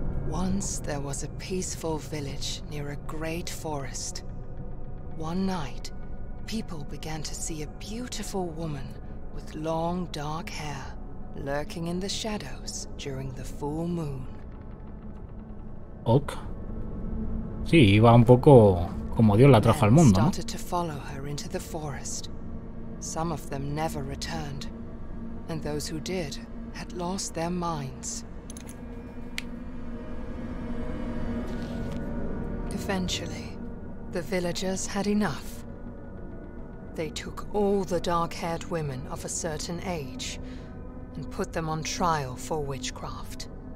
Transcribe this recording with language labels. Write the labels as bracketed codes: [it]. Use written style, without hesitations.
[en] Once there was a peaceful village near a great forest. One night, people began to see a beautiful woman with long dark hair lurking in the shadows during the full moon. Ok. [es] Sí, iba un poco como Dios la trajo al mundo, ¿no? [en] To follow her into the forest. Some of them never returned, and those who did had lost their minds. Eventually, the villagers had enough. They took all the dark-haired women of a certain age and put them on trial for witchcraft.